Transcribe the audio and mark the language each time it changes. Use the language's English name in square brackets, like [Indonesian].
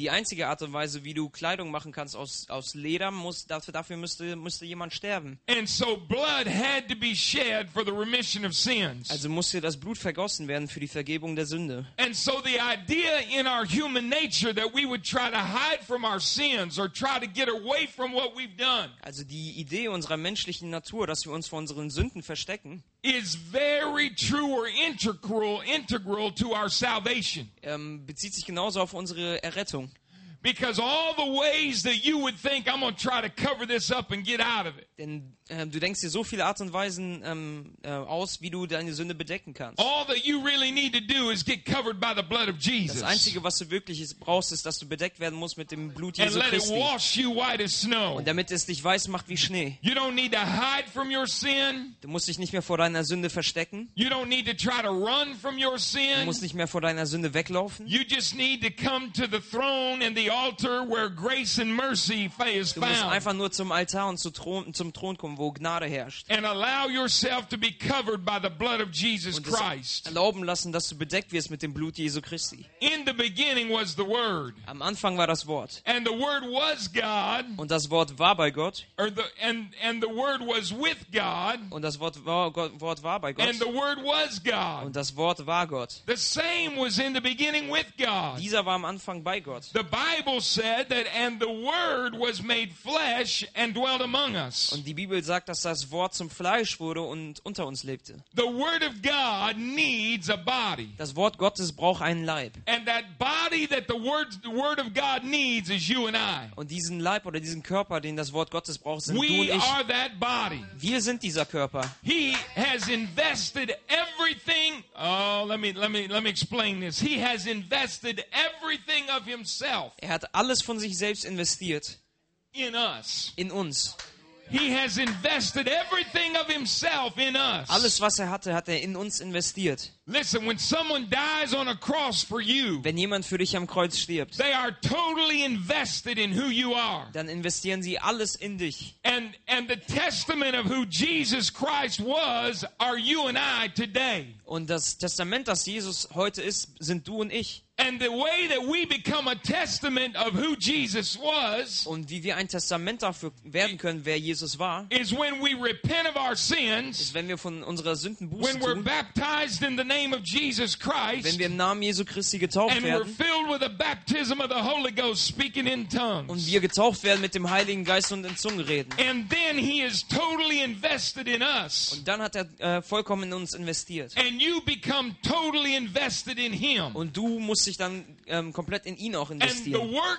[German] Und die einzige Art und Weise, wie du Kleidung machen kannst aus Leder, dafür müsste jemand sterben. [English] And so blood had to be shed for the remission of sins. [German] Also musste das Blut vergossen werden für die Vergebung der Sünde. [English] And so the idea in our human nature that we would try to hide from our sins or try to get away from what we've done. [German] Also die Idee unserer menschlichen Natur, dass wir uns vor unseren Sünden verstecken. [English] Is very true or integral to our salvation. [German] Bezieht sich genauso auf unsere Errettung. [English] Because all the ways that you would think I'm going to try to cover this up and get out of it. [German] Denn du denkst dir so viele Art und Weisen aus, wie du deine Sünde bedecken kannst. [English] All that you really need to do is get covered by the blood of Jesus. [German] Das einzige, was du wirklich brauchst, ist, dass du bedeckt werden musst mit dem Blut Jesu Christi. [English] And let it wash you white as snow. [German] Und damit es dich weiß macht wie Schnee. [English] You don't need to hide from your sin. [German] Du musst dich nicht mehr vor deiner Sünde verstecken. [English] You don't need to try to run from your sin. [German] Du musst nicht mehr vor deiner Sünde weglaufen. [English] You just need to come to the throne and the altar where grace and mercy is found. [German] Du musst einfach nur zum Altar und zum Thron kommen, wo Gnade herrscht. [English] And allow yourself to be covered by the blood of Jesus Christ. [German] Erlauben lassen, dass du bedeckt wirst mit dem Blut Jesu Christi. [English] In the beginning was the Word. [German] Am Anfang war das Wort. [English] And the Word was God. [German] Und das Wort war bei Gott. [English] And the Word was with God. [German] Und das Wort war bei Gott. [English] And the Word was God. [German] Und das Wort war Gott. [English] The same was in the beginning with God. [German] Dieser war am Anfang bei Gott. [English] The Bible said that, and the Word was made flesh and dwelt among us. [German] Und die Bibel sagt, dass das Wort zum Fleisch wurde und unter uns lebte. [English] The Word of God needs a body. [German] Das Wort Gottes braucht einen Leib. [English] And that body that the Word of God needs is you and I. [German] Und diesen Leib oder diesen Körper, den das Wort Gottes braucht, sind du und ich. [English] We are that body. [German] Wir sind dieser Körper. [English] He has invested everything. Let me explain this. He has invested everything of himself. [German] Er hat alles von sich selbst investiert. [English] In us. [German] In uns. [English] He has invested everything of himself in us. [German] Alles, was er hatte, hat er in uns investiert. [English] Listen, when someone dies on a cross for you, [German] wenn jemand für dich am Kreuz stirbt, [English] they are totally invested in who you are. [German] Dann investieren sie alles in dich. [English] And the testament of who Jesus Christ was are you and I today. [German] Und das Testament, das Jesus heute ist, sind du und ich. [English] And the way that we become a testament of who Jesus was, [German] und wie wir ein Testament dafür werden können, wer Jesus war, [English] is when we repent of our sins, [German] ist wenn wir von unserer Sünden Buße tun, [English] when we're baptized in the name of Jesus Christ, [German] wenn wir im Namen Jesu Christi getauft werden, [English] and we're filled with the baptism of the Holy Ghost, speaking in tongues, [German] und wir getauft werden mit dem Heiligen Geist und in Zungen reden, [English] and then He is totally invested in us, [German] und dann hat er vollkommen in uns investiert, [English] and you become totally invested in Him, [German] und du musst sich dann komplett in ihn auch investieren.